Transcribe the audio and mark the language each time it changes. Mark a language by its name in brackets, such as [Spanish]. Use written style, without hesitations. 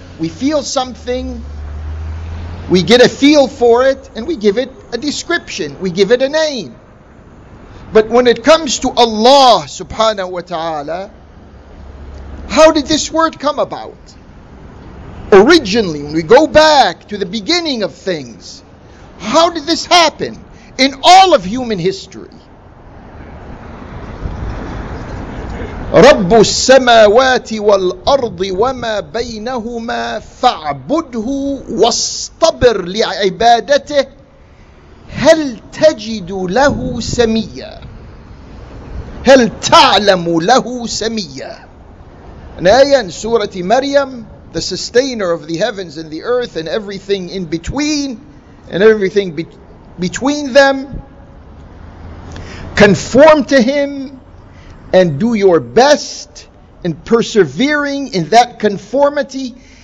[English] We feel something, we get a feel for it, and we give it a description, we give it a name. But when it comes to Allah subhanahu wa ta'ala, how did this word come about? Originally, when we go back to the beginning of things, how did this happen? In all of human history, [Arabic] رب السماوات والأرض وما بينهما فاعبده واصطبر لعبادته هل تجد له سميا هل تعلم له سميا. [English] An ayah in Surah Maryam, the sustainer of the heavens and the earth and everything in between, and everything between them, conform to him and do your best in persevering in that conformity.